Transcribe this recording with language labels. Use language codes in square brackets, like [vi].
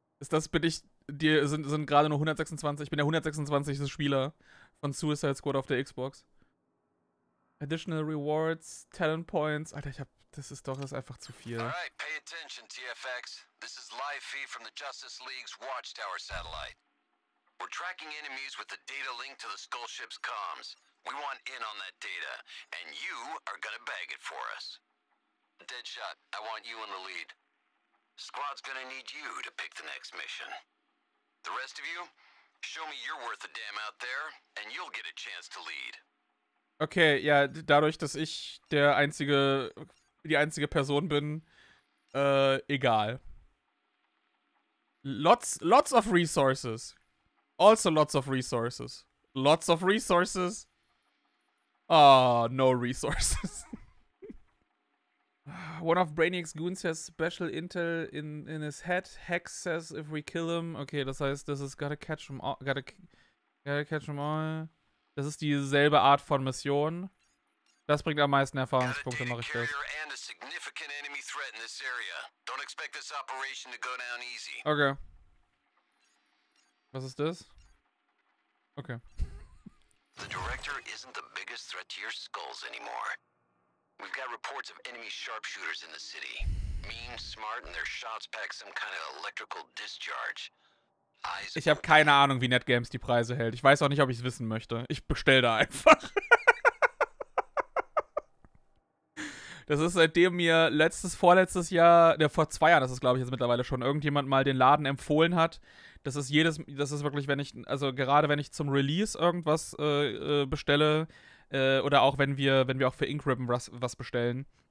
[de] Ist das, bin ich, die sind gerade nur 126, ich bin der 126. Spieler von Suicide Squad auf der Xbox. Additional Rewards, Talent Points, Alter, das ist einfach zu viel. [en] Alright, pay attention, TFX. This is live feed from the Justice League's Watchtower Satellite. We're tracking enemies with the data link to the Skull Ship's comms. We want in on that data, and you are gonna bag it for us. Deadshot, I want you in the lead. Squad's gonna need you to pick the next mission. The rest of you, show me you're worth a damn out there, and you'll get a chance to lead. [de] Okay, ja, dadurch, dass ich die einzige Person bin, egal. [en] Lots of resources. Also lots of resources. Lots of resources. Ah, no resources. One of Brainiac's goons has special intel in his head. Hex says if we kill him. [de] Okay, das heißt, das ist [en] gotta catch him all. Gotta catch him all. [de] Das ist dieselbe Art von Mission. Das bringt am meisten Erfahrungspunkte, mach ich das. [en] And a significant enemy threat in this area. Don't expect this operation to go down easy. [de] Okay. Was ist das? Okay. [en] The director isn't the biggest threat to your skulls anymore. We've got reports of enemy sharpshooters in the city. Mean, smart, and their shots pack some kind of electrical discharge. Eyes. [de] Ich habe keine Ahnung, wie NetGames die Preise hält. Ich weiß auch nicht, ob ich es wissen möchte. Ich bestell da einfach. Das ist, seitdem mir vor zwei Jahren, das ist, glaube ich, jetzt mittlerweile schon, irgendjemand mal den Laden empfohlen hat. Das ist wirklich, wenn ich, also gerade wenn ich zum Release irgendwas bestelle, oder auch wenn wir auch für Ink Ribbon was bestellen.